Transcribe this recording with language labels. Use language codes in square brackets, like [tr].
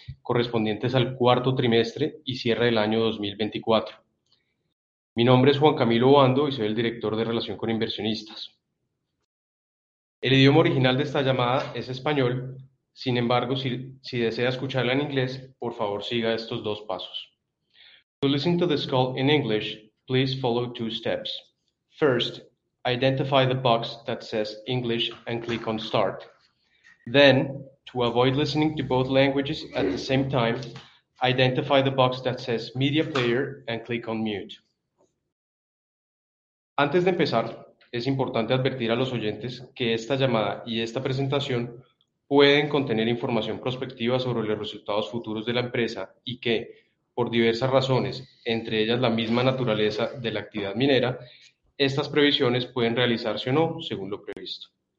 [es] correspondientes al cuarto trimestre y cierre del año 2024. Mi nombre es Juan Camilo Obando y soy el director de Relación con Inversionistas. El idioma original de esta llamada es español, sin embargo, si desea escucharla en inglés, por favor siga estos dos pasos. [en] To listen to this call in English, please follow two steps. First, identify the box that says English and click on Start. Then, to avoid listening to both languages at the same time, identify the box that says Media Player and click on Mute. [es] Antes de empezar, es importante advertir a los oyentes que esta llamada y esta presentación pueden contener información prospectiva sobre los resultados futuros de la empresa y que, por diversas razones, entre ellas la misma naturaleza de la actividad minera, estas previsiones pueden realizarse o no según lo previsto.